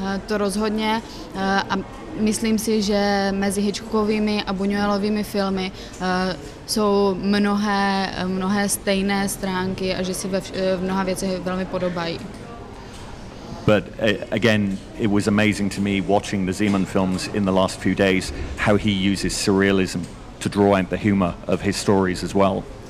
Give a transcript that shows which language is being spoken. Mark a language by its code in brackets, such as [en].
[cs] To rozhodně. Myslím si, že mezi Hitchcockovými a Buñuelovými filmy jsou mnohé stejné stránky a že si v mnoha věcech velmi podobají. [en] But again, it was amazing to me watching the Zeman films in the last few days, how he uses surrealism to draw out the humor of his stories as well.